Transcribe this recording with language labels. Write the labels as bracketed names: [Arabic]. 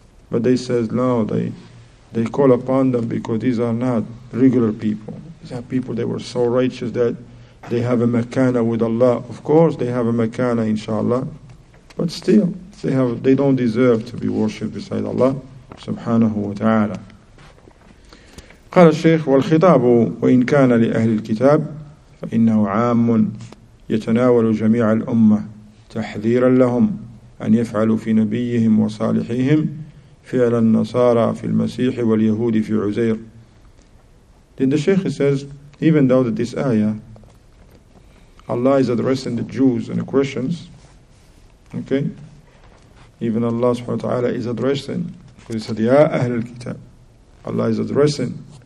[English] But they says no, they call upon them because these are not regular people. These are people that were so righteous that they have a makana with Allah. Of course, they have a makana, inshallah. But still, they don't deserve to be worshipped beside Allah, subhanahu wa ta'ala. [Arabic] قال الشيخ والخطاب وإن كان لأهل الكتاب فإنه عام يتناول جميع الأمة تحذيرا لهم أن يفعلوا في نبيهم وصالحيهم فعل النصارى في المسيح واليهود في عزير. [English] Then the Shaykh says, even though that this ayah, Allah is addressing the Jews and the Christians, okay? Even Allah subhanahu wa ta'ala is addressing, because he said, [Arabic] يا أهل الكتاب, [English] Allah is addressing